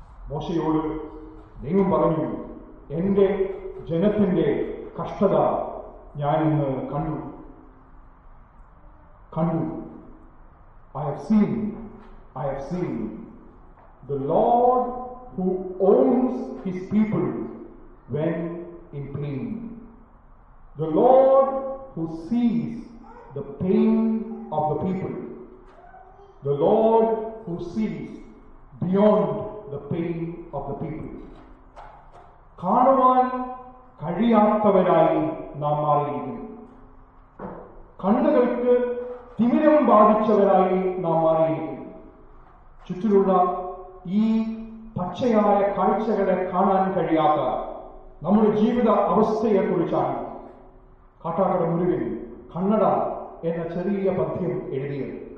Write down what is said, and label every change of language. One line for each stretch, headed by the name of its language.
Malayalam: മോശയോട് ദൈവം പറഞ്ഞു, എന്റെ ജനത്തിന്റെ കഷ്ടത ഞാനിന്ന് കണ്ടു.
English: I have seen the Lord who owns his people when in pain. The Lord who sees the pain of the people. The Lord who sees beyond the pain of the people.
Malayalam: കാണുവാൻ കഴിയാത്തവരായി നാം മാറിയിരിക്കുന്നു. കണ്ണുകൾക്ക് തിമിരം ബാധിച്ചവരായി നാം മാറിയിരിക്കുന്നു. ചുറ്റിലുള്ള ഈ പച്ചയായ കാഴ്ചകളെ കാണാൻ കഴിയാത്ത നമ്മുടെ ജീവിത അവസ്ഥയെ കുറിച്ചാണ് കാട്ടാക്കട മുരുകൻ കണ്ണട എന്ന ചെറിയ പദ്യം എഴുതിയത്.